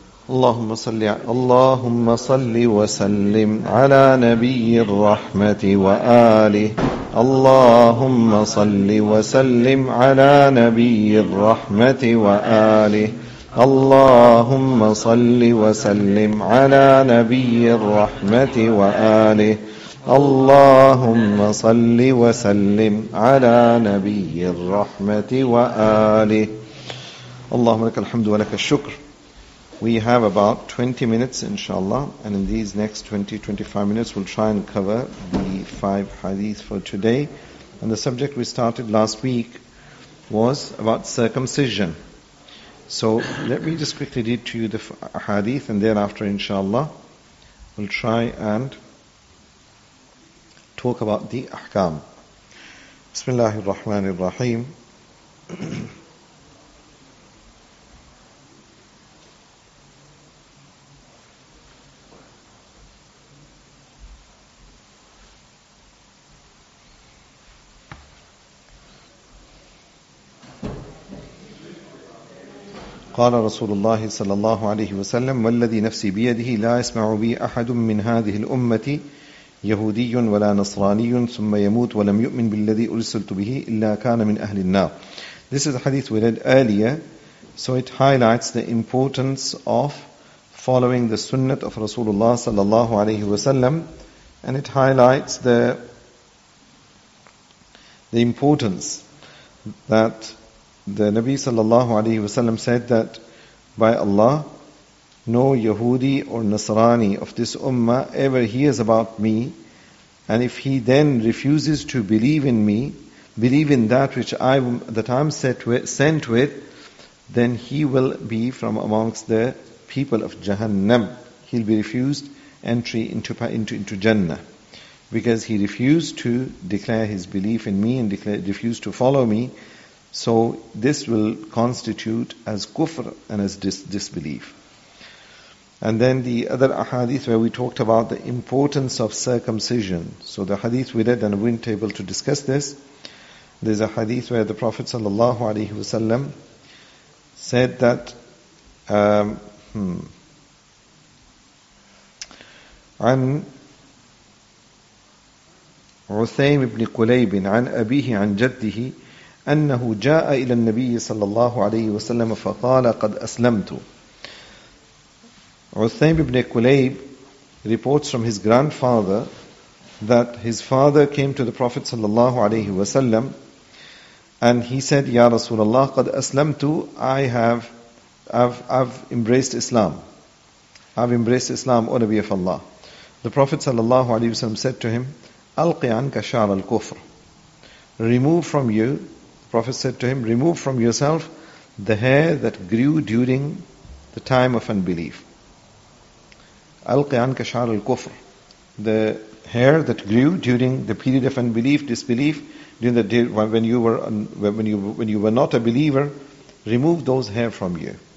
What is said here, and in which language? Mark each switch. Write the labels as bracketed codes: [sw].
[ar] اللهم صل وسلم على نبي الرحمة وآله اللهم صل وسلم على نبي الرحمة وآله اللهم صل وسلم على نبي الرحمة وآله اللهم صل وسلم على نبي الرحمة وآله اللهم لك الحمد ولك الشكر. [en] We have about 20 minutes, inshallah, and in these next 20-25 minutes, we'll try and cover the five hadith for today. And the subject we started last week was about circumcision. So let me just quickly read to you the hadith, and thereafter, inshallah, we'll try and talk about the ahkam. Bismillahir Rahmanir Rahim. [ar] قال رسول الله صلى الله عليه وسلم والذي نفسي بيده لا يسمع بي أحد من هذه الأمة يهودي ولا نصراني ثم يموت ولم يؤمن بالذي أرسلت به إلا كان من أهل النار. [en] This is a hadith we read earlier, so it highlights the importance of following the sunnah of Rasulullah صلى الله عليه وسلم, and it highlights the importance that the Nabi sallallahu alayhi wasallam said that by Allah, no Yahudi or Nasrani of this ummah ever hears about me, and if he then refuses to believe in me, believe in that which I'm sent with, then he will be from amongst the people of Jahannam. He'll be refused entry into Jannah because he refused to declare his belief in me and refused to follow me. So this will constitute as kufr and as disbelief. And then the other ahadith where we talked about the importance of circumcision. So the hadith we read and we weren't able to discuss this. There's a hadith where the Prophet ﷺ said that [ar] عن عثيم بن قليب عن أبيه عن جده أنه جاء إلى النبي صلى الله عليه وسلم فقال قد أسلمت. [en] عثيم بن كليب reports from his grandfather that his father came to the Prophet صلى الله عليه وسلم and he said, [ar] يا رسول الله قد أسلمت, [en] I've embraced Islam. I've embraced Islam, O Nabi of Allah. The Prophet صلى الله عليه وسلم said to him, [ar] ألقي عنك شعر الكفر. [en] Remove from you, Prophet said to him, remove from yourself the hair that grew during the time of unbelief. [ar] Alqian kashar al kufr. [en] The hair that grew during the period of unbelief, disbelief, during the day when you were not a believer, remove those hair from you.